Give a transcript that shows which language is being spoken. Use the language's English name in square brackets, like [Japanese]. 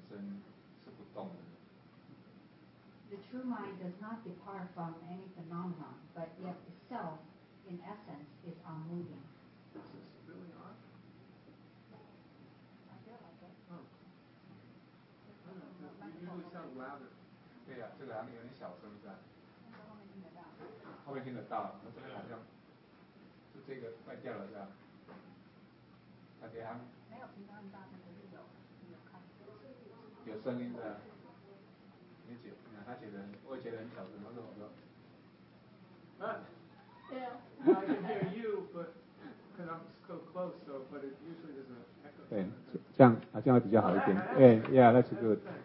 [Chinese] 真心本身就是它没有离开相啊，那个一种现象它没有离开，可是它本身是不动的。 [English] The true mind does not depart from any phenomenon, but yet itself, in essence, is unmoving. Is this really on? Yeah, I feel like it. Oh. Oh, no, no, no, no. It really sounds louder. [Chinese] 对呀，这个好像有点小声，是吧？后面听得到，这边好像是这个坏掉了，是吧？他给他没有平常大声，可是有声音的。你姐，他姐人，我姐人小声，他说我说。啊，对啊。 [English] I can hear you, but. Because I'm so close, so, but it usually doesn't echo. [Chinese] 对，这样好像比较好一点。哎， [English] yeah, that's good.